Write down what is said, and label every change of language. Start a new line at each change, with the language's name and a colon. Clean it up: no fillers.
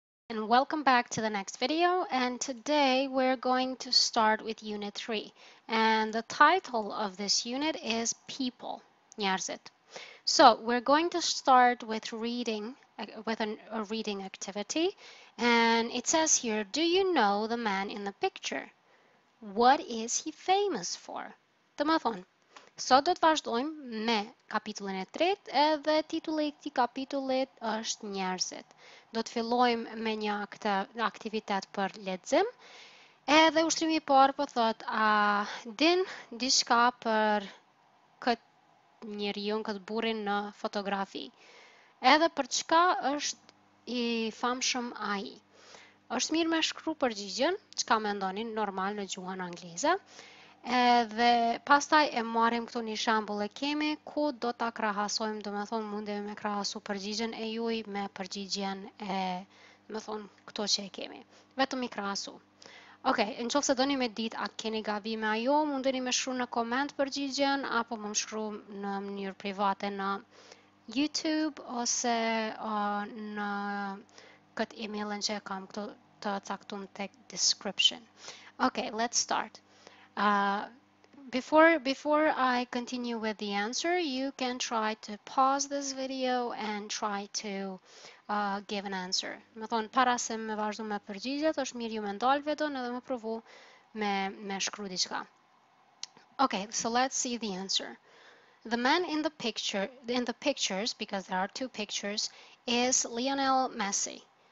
English: And welcome back to the next video, and today we're going to start with unit 3, and the title of this unit is people,
Albanian: njerzit.
English: So we're going to start with reading, with a reading activity, and it says here, do you know the man in the picture? What is he famous for?
Albanian: Të më thonë. Sot do të vazhdojmë me kapitullin e tretë, edhe titulli i këtij kapitulli është njerëzit. Do të fillojmë me një aktivitet për lexim. Edhe ushtrimi i parë po thotë, a din diçka për këtë njeriu, këtë burrin në fotografi? Edhe për çka është i famshëm ai? Është mirë me shkru përgjigjen, çka mendoni normal në gjuhën angleze. Edhe pastaj e marrim këtu një shembull e kemi ku do ta krahasojmë, domethënë mundemi me krahasu përgjigjen e juaj me përgjigjen e, domethënë këto që e kemi. Vetëm i krahasu. Okej, okay, nëse doni me ditë a keni gabime apo jo, mundeni më shkruani në koment përgjigjen apo më shkruani në mënyrë private në YouTube ose në këtë emailin që kam këtu të caktuar tek description.
English: Okej, okay, let's start. Before I continue with the answer, you can try to pause this video and try to give an answer.
Albanian: Më thonë, para se me vazhdo me përgjigjet, është mirë ju me ndalë vetën edhe me provu me shkru diçka.
English: Okay, so let's see the answer. The man in the picture, in the pictures, because there are two pictures, is Lionel Messi.